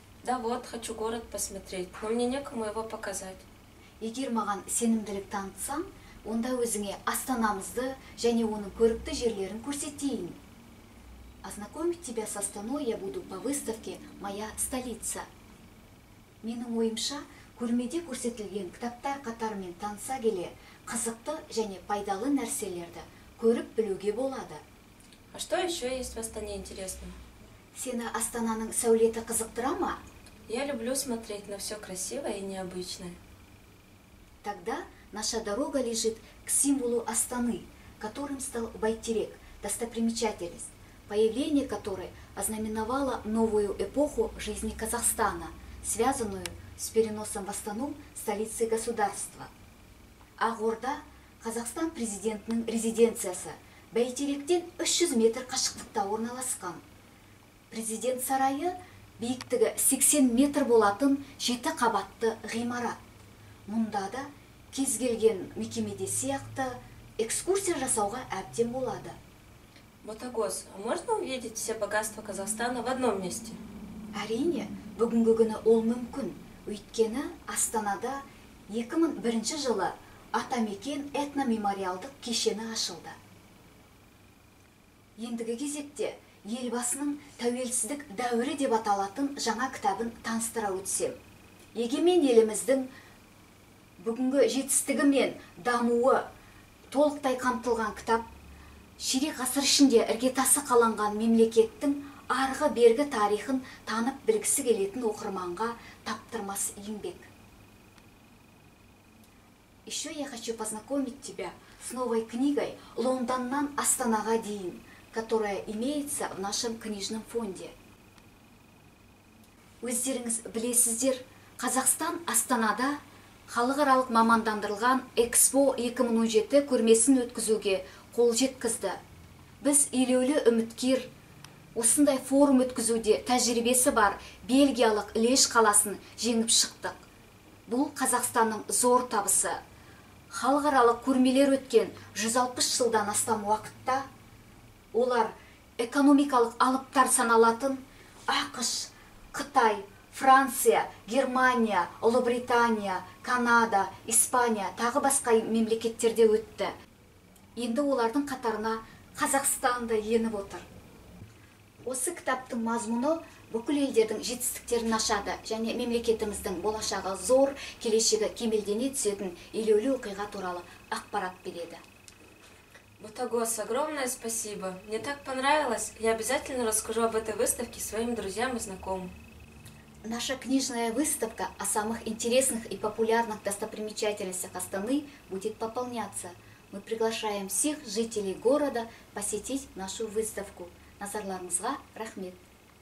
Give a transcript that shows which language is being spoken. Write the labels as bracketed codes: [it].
[ru] Да вот, хочу город посмотреть, но мне некому его показать. [kk] Егер маған сенімділік танытсаң, онда өзіңе Астанамызды және оның көрікті жерлерін көрсетейін. [ru] Ознакомить тебя с Астаной я буду по выставке «Моя столица». [kk] Менің ойымша, көрмеде көрсетілген кітаптар қатарымен таныса келе, қызықты және пайдалы нәрселерді көріп білуге болады. [ru] А что еще есть в Астане интересного? [kk] Сені Астананың сәулеті қызықтыра ма? [ru] Я люблю смотреть на все красивое и необычное. Тогда наша дорога лежит к символу Астаны, которым стал Байтерек, достопримечательность, появление которой ознаменовало новую эпоху жизни Казахстана, связанную с переносом в Астану столицы государства. [kk] А города Казахстан президентның резиденциясы Байтеректен 300 метр қашықтықта орналасқан. Президент сарайы биіктігі 80 метр болатын 7 қабатты ғимарат. Мұнда да кез келген мекемеде сияқты экскурсия жасауға әбден болады. [ru] Ботагөз, а можно увидеть все богатства Казахстана в одном месте? [kk] Әрине, бүгінгі күні ол мүмкін. Өйткені Астанада 2001 жылы Атамекен этномемориалдық кешені ашылды. Ендігі кезекте елбасының тәуелсіздік дәуірі деп аталатын жаңа кітабын таныстыра өтсем. Егемен еліміздің бүгінгі жетістігі мен дамуы толықтай қамтылған кітап, ширек ғасыр ішінде іргетасы қаланған мемлекеттің арғы бергі тарихын танып білгісі келетін оқырманға таптырмас еңбек. [ru] Еще я хочу познакомить тебя с новой книгой «Лондоннан Астанаға дейін», которая имеется в нашем книжном фонде. [kk] Өздеріңіз білесіздер, Қазақстан Астанада халықаралық мамандандырылған Экспо 2017 көрмесін өткізуге қол жеткізді. Біз елеулі үміткер, осындай форум өткізуде тәжірибесі бар Бельгиялық Леш қаласын жеңіп шықтық. Бұл Қазақстанның зор табысы. Халықаралық көрмелер өткен 160 жылдан астам уақытта олар экономикалық алыптар саналатын АҚШ, Қытай, Франция, Германия, Ұлыбритания, Канада, Испания тағы басқа мемлекеттерде өтті. Енді олардың қатарына Қазақстан да еніп отыр. Осы кітаптың мазмұны бүкіл елдердің жетістіктерін ашады және мемлекетіміздің болашағы зор, келешегі кемелдене түсетін елеулі оқиға туралы ақпарат береді. [ru] Ботагөз, огромное спасибо. Мне так понравилось. Я обязательно расскажу об этой выставке своим друзьям и знакомым. Наша книжная выставка о самых интересных и популярных достопримечательностях Астаны будет пополняться. Мы приглашаем всех жителей города посетить нашу выставку. [kk] Назарларыңызға рахмет.